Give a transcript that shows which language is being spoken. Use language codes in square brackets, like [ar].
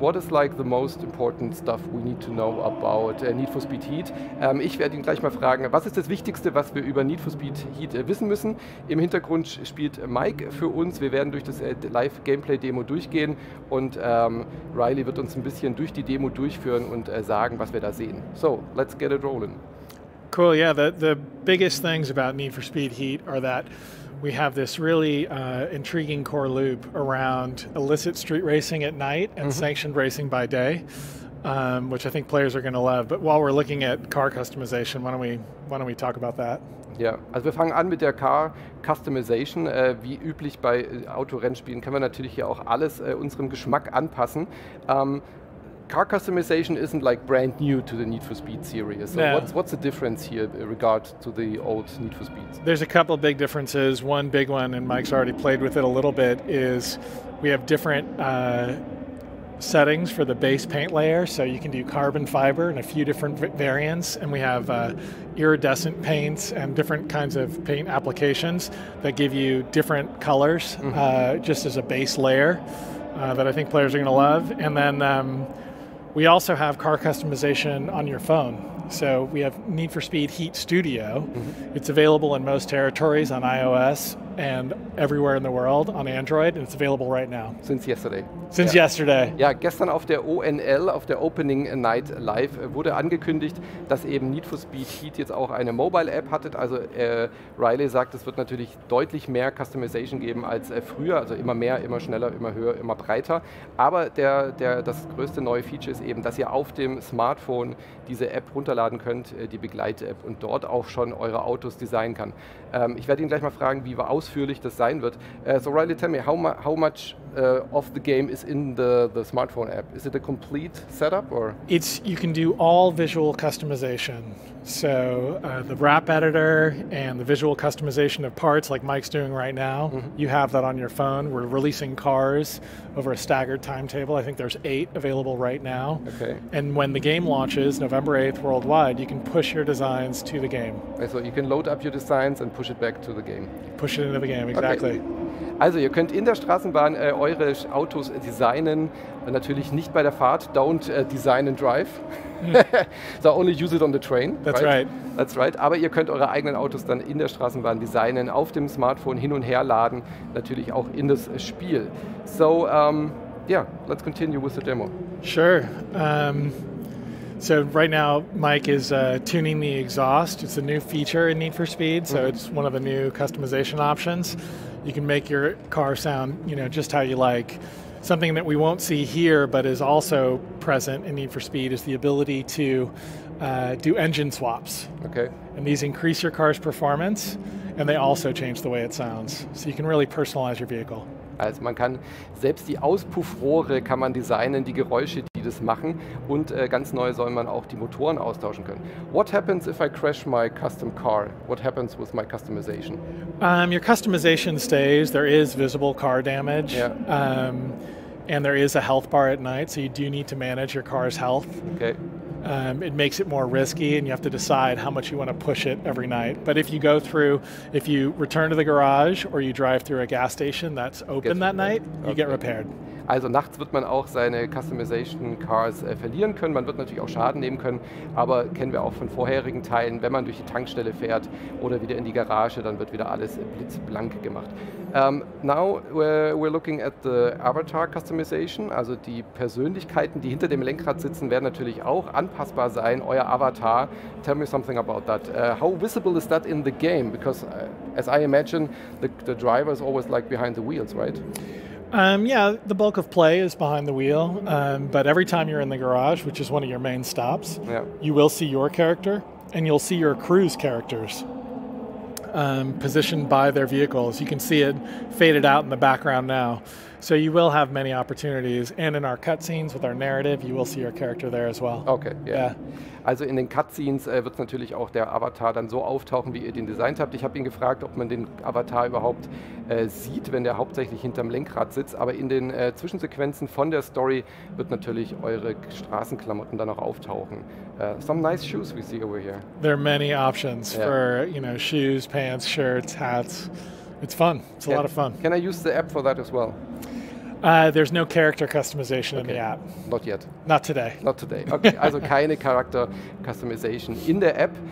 [en] What is like the most important stuff we need to know about Need for Speed Heat? [de] Ich werde ihn gleich mal fragen, was ist das Wichtigste, was wir über Need for Speed Heat wissen müssen? Im Hintergrund spielt Mike für uns. Wir werden durch das Live-Gameplay-Demo durchgehen und Riley wird uns ein bisschen durch die Demo durchführen und sagen, was wir da sehen. [en] So, let's get it rolling. Cool, yeah, the biggest things about Need for Speed Heat are that we have this really intriguing core loop around illicit street racing at night and mm-hmm. sanctioned racing by day, which I think players are going to love. But while we're looking at car customization, why don't we talk about that? [de] Ja, also wir fangen an mit der Car Customization. Wie üblich bei Autorennspielen können wir natürlich hier auch alles unserem Geschmack anpassen. [en] Car customization isn't like brand new to the Need for Speed series. So no. What's the difference here in regard to the old Need for Speed? There's a couple of big differences. One big one, and Mike's already played with it a little bit, is we have different settings for the base paint layer. So you can do carbon fiber in a few different variants, and we have iridescent paints and different kinds of paint applications that give you different colors mm-hmm. Just as a base layer that I think players are going to love. And then we also have car customization on your phone. So we have Need for Speed Heat Studio. Mm-hmm. It's available in most territories on iOS and everywhere in the world on Android, and it's available right now. Since yesterday. Since yeah. yesterday. [de] Ja, gestern auf der ONL, auf der Opening Night Live, wurde angekündigt, dass eben Need for Speed Heat jetzt auch eine Mobile-App hattet. Also Riley sagt, es wird natürlich deutlich mehr Customization geben als früher. Also immer mehr, immer schneller, immer höher, immer breiter. Aber das größte neue Feature ist eben, dass ihr auf dem Smartphone diese App runterladen könnt, die Begleit-App, und dort auch schon eure Autos designen kann. Ich werde ihn gleich mal fragen, wie ausführlich das sein wird. [en] So Riley, tell me, how much of the game is in the smartphone app? Is it a complete setup or? It's, you can do all visual customization. So the wrap editor and the visual customization of parts like Mike's doing right now, mm-hmm. you have that on your phone. We're releasing cars over a staggered timetable. I think there's 8 available right now. Okay. And when the game launches November 8th worldwide, you can push your designs to the game. Okay, so you can load up your designs and push it back to the game. Push it into the game, exactly. Okay. [de] Also ihr könnt in der Straßenbahn eure Autos designen, natürlich nicht bei der Fahrt. [en] Don't design and drive. So only use it on the train. That's right? Right. That's right. [de] Aber ihr könnt eure eigenen Autos dann in der Straßenbahn designen, auf dem Smartphone hin und her laden, natürlich auch in das Spiel. [en] So, yeah, let's continue with the demo. Sure. So right now, Mike is tuning the exhaust. It's a new feature in Need for Speed, so mm-hmm. it's one of the new customization options. You can make your car sound, you know, just how you like. Something that we won't see here, but is also present in Need for Speed, is the ability to do engine swaps. Okay. And these increase your car's performance, and they also change the way it sounds. So you can really personalize your vehicle. [de] Also man kann selbst die Auspuffrohre kann man designen, die Geräusche, die das machen, und ganz neu soll man auch die Motoren austauschen können. [en] What happens if I crash my custom car? What happens with my customization? Your customization stays. There is visible car damage. Yeah. And there is a health bar at night, so you do need to manage your car's health. Okay. It makes it more risky, and you have to decide how much you want to push it every night. But if you go through, if you return to the garage or you drive through a gas station that's open that night, you get repaired. [de] Also nachts wird man auch seine Customization Cars verlieren können. Man wird natürlich auch Schaden nehmen können, aber kennen wir auch von vorherigen Teilen, wenn man durch die Tankstelle fährt oder wieder in die Garage, dann wird wieder alles blitzblank gemacht. [en] Now we're looking at the Avatar Customization. [de] Also die Persönlichkeiten, die hinter dem Lenkrad sitzen, werden natürlich auch anpassbar sein. Euer Avatar, [en] tell me something about that. How visible is that in the game? Because as I imagine, the driver is always like behind the wheels, right? Yeah, the bulk of play is behind the wheel, but every time you're in the garage, which is one of your main stops, yeah. you will see your character, and you'll see your crew's characters positioned by their vehicles. You can see it faded out in the background now. So you will have many opportunities, and in our cutscenes with our narrative, you will see your character there as well. Okay, yeah. [de] Also in den Cutscenes wird es natürlich auch der Avatar dann so auftauchen, wie ihr den designt habt. Ich habe ihn gefragt, ob man den Avatar überhaupt sieht, wenn der hauptsächlich hinterm Lenkrad sitzt. Aber in den Zwischensequenzen von der Story wird natürlich eure Straßenklamotten dann auch auftauchen. [en] Some nice shoes we see over here. There are many options for, you know, shoes, pants, shirts, hats. It's fun. It's a lot of fun. Can I use the app for that as well? There's no character customization in the app. Not yet. Not today. Not today. [de] Okay, also keine [en] character customization in the app.